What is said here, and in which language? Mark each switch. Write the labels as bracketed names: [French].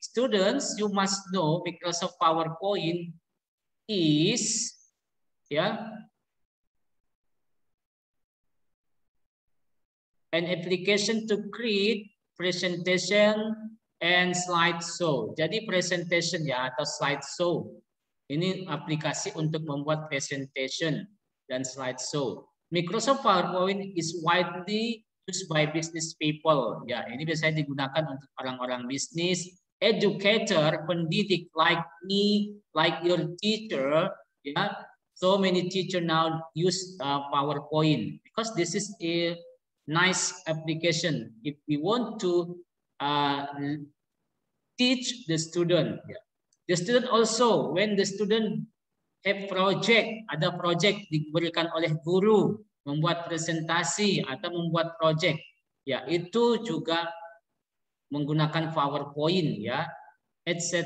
[English] Students, you must know Microsoft PowerPoint is, yeah, an application to create presentation and slideshow. [Indonesian] Jadi presentation ya atau slideshow. Ini aplikasi untuk membuat presentation dan slideshow. [English] Microsoft PowerPoint is widely used by business people. [Indonesian] Ya, ini biasanya digunakan untuk orang-orang bisnis, educator, pendidik [English] like me, like your teacher, [Indonesian] ya. [English] So many teacher now use PowerPoint because this is a nice application if we want to teach the student. Yeah. The student also, when the student have project, [Indonesian] ada project diberikan oleh guru membuat presentasi atau membuat project, ya itu juga menggunakan PowerPoint, ya etc.